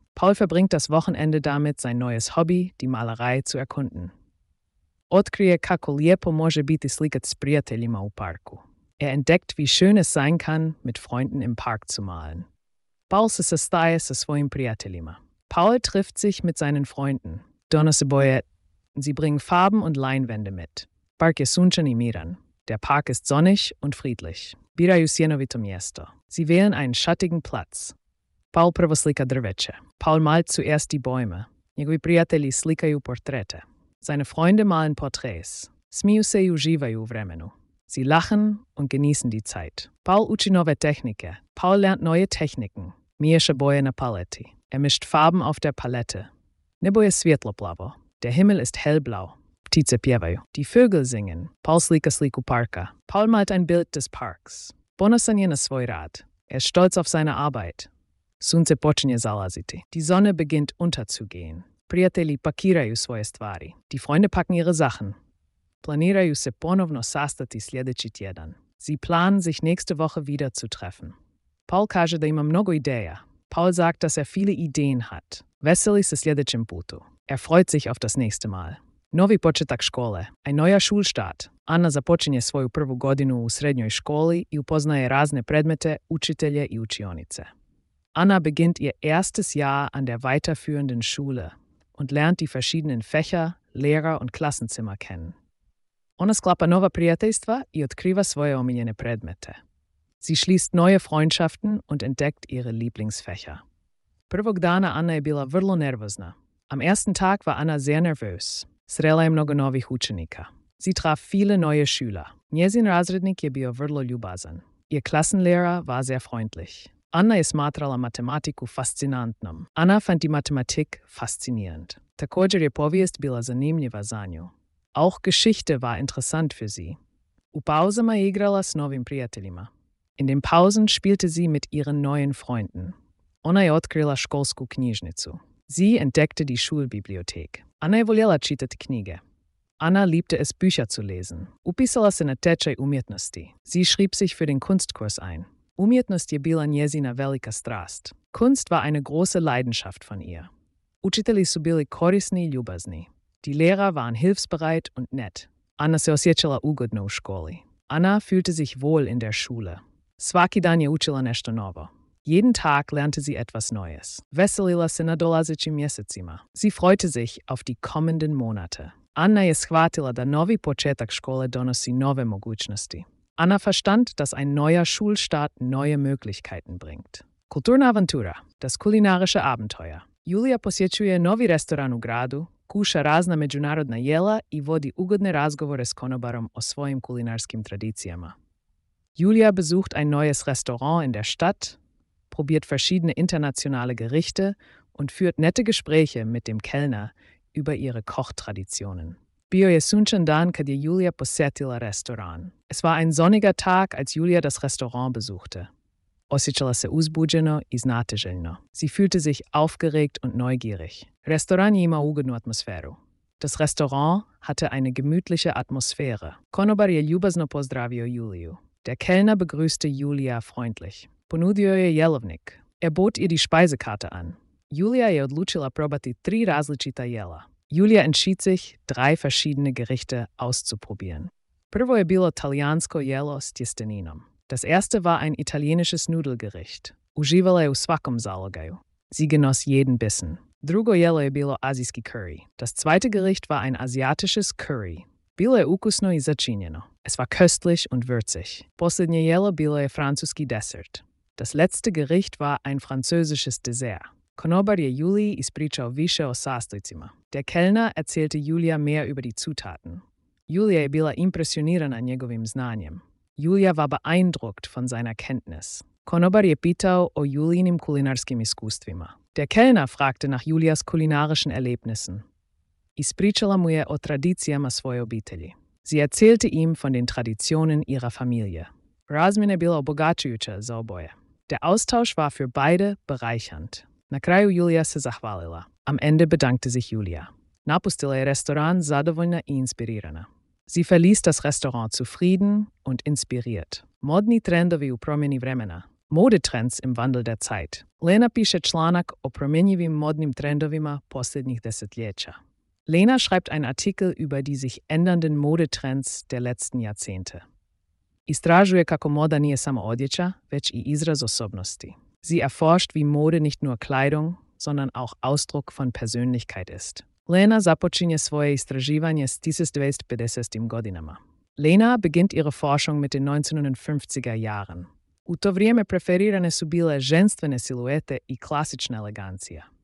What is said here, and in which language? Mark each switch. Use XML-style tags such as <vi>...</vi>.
<de>Paul verbringt das Wochenende damit, sein neues Hobby, die Malerei, zu erkunden.</de> <hr>Otkrije kako lijepo može biti slikat s prijateljima u parku.</hr> <de>Entdeckt, wie schön es sein kann, mit Freunden im Park zu malen.</de> <hr>Paul se sastaje sa svojim prijateljima.</hr> <de>Paul trifft sich mit seinen Freunden.</de> <hr>Donose boje.</hr> <de>Sie bringen Farben und Leinwände mit.</de> <hr>Park je sunčan i miran.</hr> <de>Der Park ist sonnig und friedlich.</de> <hr>Biraju sjenovito mjesto.</hr> <de>Sie wählen einen schattigen Platz.</de> <hr>Paul prvo slika drveće.</hr> <de>Paul malt zuerst die Bäume.</de> <hr>Njegovi prijatelji slikaju portrete.</hr> <de>Seine Freunde malen Porträts.</de> <hr>Smiju se i uživaju vremenu.</hr> <de>Sie lachen und genießen die Zeit.</de> <hr>Paul uči nove tehnike.</hr> <de>Paul lernt neue Techniken.</de> <hr>Miješa boje na paleti.</hr> <de>Mischt Farben auf der Palette.</de> <hr>Nebo je svjetloplavo.</hr> <de>Der Himmel ist hellblau.</de> <hr>Ptice pjevaju.</hr> <de>Die Vögel singen.</de> <hr>Paul slika sliku parka.</hr> <de>Paul malt ein Bild des Parks.</de> <hr>Ponosan je na svoj rad.</hr> <de>Stolz auf seine Arbeit.</de> <hr>Sunce počinje zalaziti.</hr> <de>Die Sonne beginnt unterzugehen.</de> <hr>Prijatelji pakiraju svoje stvari.</hr> <de>Die Freunde packen ihre Sachen.</de> <hr>Planiraju se ponovno sastati sljedeći tjedan.</hr> <de>Sie planen, sich nächste Woche wieder zu treffen.</de> <hr>Paul kaže da ima mnogo ideja.</hr> <de>Paul sagt, dass viele Ideen hat.</de> <hr>Veseli se sljedećem putu.</hr> <de>Freut sich auf das nächste Mal.</de> <hr>Novi početak škole.</hr> <de>Ein neuer Schulstart.</de> <hr>Anna započinje svoju prvu godinu u srednjoj školi i upoznaje razne predmete, učitelje i učionice.</hr> <de>Anna beginnt ihr erstes Jahr an der weiterführenden Schule und lernt die verschiedenen Fächer, Lehrer und Klassenzimmer kennen.</de> <hr>Ona sklapa nova prijateljstva i otkriva svoje omiljene predmete.</hr> <de>Sie schließt neue Freundschaften und entdeckt ihre Lieblingsfächer.</de> <hr>Prvog dana Anna je bila vrlo nervozna.</hr> <de>Am ersten Tag war Anna sehr nervös.</de> <hr>Srela je mnogo novih učenika.</hr> <de>Sie traf viele neue Schüler.</de> <hr>Njezin razrednik je bio vrlo ljubazan.</hr> <de>Ihr Klassenlehrer war sehr freundlich.</de> <hr>Anna je smatrala matematiku fascinantnom.</hr> <de>Anna fand die Mathematik faszinierend.</de> <hr>Također je povijest bila zanimljiva za nju.</hr> <de>Auch Geschichte war interessant für sie.</de> <hr>U pauzama je igrala s novim prijateljima.</hr> <de>In den Pausen spielte sie mit ihren neuen Freunden.</de> <hr>Ona je otkrila školsku knjižnicu.</hr> <de>Sie entdeckte die Schulbibliothek.</de> <hr>Anna je voljela čitati knjige.</hr> <de>Anna liebte es, Bücher zu lesen.</de> <hr>Upisala se na tečaj umjetnosti.</hr> <de>Sie schrieb sich für den Kunstkurs ein.</de> <hr>Umjetnost je bila njezina velika strast.</hr> <de>Kunst war eine große Leidenschaft von ihr.</de> <hr>Učitelji su bili korisni i ljubazni.</hr> <de>Die Lehrer waren hilfsbereit und nett.</de> <hr>Anna se osjećala ugodno u školi.</hr> <de>Anna fühlte sich wohl in der Schule.</de> <hr>Svaki dan je učila nešto novo.</hr> <de>Jeden Tag lernte sie etwas Neues.</de> <hr>Veselila se na dolazećim mjesecima.</hr> <de>Sie freute sich auf die kommenden Monate.</de> <hr>Anna je shvatila da novi početak škole donosi nove mogućnosti.</hr> <de>Anna verstand, dass ein neuer Schulstart neue Möglichkeiten bringt. Kulturnaventura, das kulinarische Abenteuer.</de> <hr>Julia posjećuje novi restoran u gradu, kuša razna međunarodna jela i vodi ugodne razgovore s konobarom o svojim kulinarskim tradicijama.</hr> <de>Julia besucht ein neues Restaurant in der Stadt, probiert verschiedene internationale Gerichte und führt nette Gespräche mit dem Kellner über ihre Kochtraditionen.</de> <hr>Bio je sunčan dan kad je Julia posjetila restoran.</hr> <de>Es war ein sonniger Tag, als Julia das Restaurant besuchte.</de> <hr>Osjećala se uzbuđeno i znatiželjno.</hr> <de>Sie fühlte sich aufgeregt und neugierig.</de> <hr>Restoran je imao ugodnu atmosferu.</hr> <de>Das Restaurant hatte eine gemütliche Atmosphäre.</de> <hr>Konobar je ljubazno pozdravio Juliju.</hr> <de>Der Kellner begrüßte Julia freundlich.</de> <hr>Ponudio je jelovnik.</hr> <de>Bot ihr die Speisekarte an.</de> <hr>Julia je odlučila probati tri različita jela.</hr> <de>Julia entschied sich, drei verschiedene Gerichte auszuprobieren.</de> <hr>Prvo je bilo italijansko jelo s tjesteninom.</hr> <de>Das erste war ein italienisches Nudelgericht.</de> <hr>Uživala je u svakom zalogaju.</hr> <de>Sie genoss jeden Bissen.</de> <hr>Drugo jelo je bilo azijski curry.</hr> <de>Das zweite Gericht war ein asiatisches Curry.</de> <hr>Bilo je ukusno i začinjeno.</hr> <de>Es war köstlich und würzig.</de> <hr>Posljednje jelo bilo je francuski dessert.</hr> <de>Das letzte Gericht war ein französisches Dessert.</de> <hr>Konobar je Juli ispričao više o sastojcima.</hr> <de>Der Kellner erzählte Julia mehr über die Zutaten.</de> <hr>Julia je bila impresionirana njegovim znanjem.</hr> <de>Julia war beeindruckt von seiner Kenntnis.</de> <hr>Konobar je pitao o Julinim kulinarskim iskustvima.</hr> <de>Der Kellner fragte nach Julias kulinarischen Erlebnissen.</de> <hr>Ispričala mu je o tradicijama svoje obitelji.</hr> <de>Sie erzählte ihm von den Traditionen ihrer Familie.</de> <hr>Razmjena je bila obogačujuća za oboje.</hr> <de>Der Austausch war für beide bereichernd.</de> <hr>Na kraju Julia se zahvalila.</hr> <de>Am Ende bedankte sich Julia.</de> <hr>Napustila je restoran zadovoljna i inspirirana.</hr> <de>Sie verließ das Restaurant zufrieden und inspiriert.</de> <hr>Modni trendovi u promjeni vremena.</hr> <de>Modetrends im Wandel der Zeit.</de> <hr>Lena piše članak o promjenjivim modnim trendovima posljednjih desetljeća.</hr> <de>Lena schreibt einen Artikel über die sich ändernden Modetrends der letzten Jahrzehnte.</de> <hr>Istražuje kako moda nije samo odjeća, već i izraz osobnosti.</hr> <de>Sie erforscht, wie Mode nicht nur Kleidung, sondern auch Ausdruck von Persönlichkeit ist.</de> <hr>Lena započinje svoje istraživanje s 1950. godinama.</hr> <de>Lena beginnt ihre Forschung mit den 1950er Jahren.</de> <hr>U to vrijeme preferirane su bile ženstvene siluete i klasična elegancija.</hr>